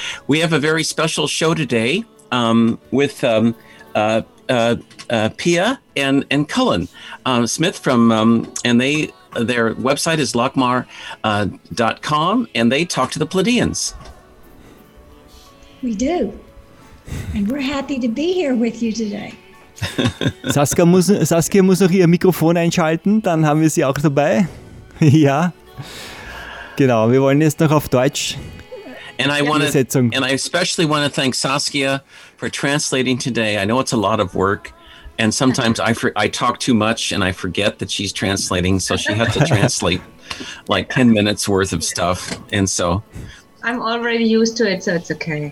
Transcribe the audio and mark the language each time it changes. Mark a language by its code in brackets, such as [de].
[en] We have a very special show today with Pia and Cullen Smith from, and their website is lochmar.com, and they talk to the Pleiadians. We do. And we're happy to be here with you today. [de] Saskia muss noch ihr Mikrofon einschalten, dann haben wir sie auch dabei. Ja, genau, wir wollen jetzt noch auf Deutsch die Übersetzung. [en] And I especially want to thank Saskia for translating today. I know it's a lot of work, and sometimes I talk too much and I forget that she's translating, so she had to translate like 10 minutes worth of stuff, and so I'm already used to it, so it's okay.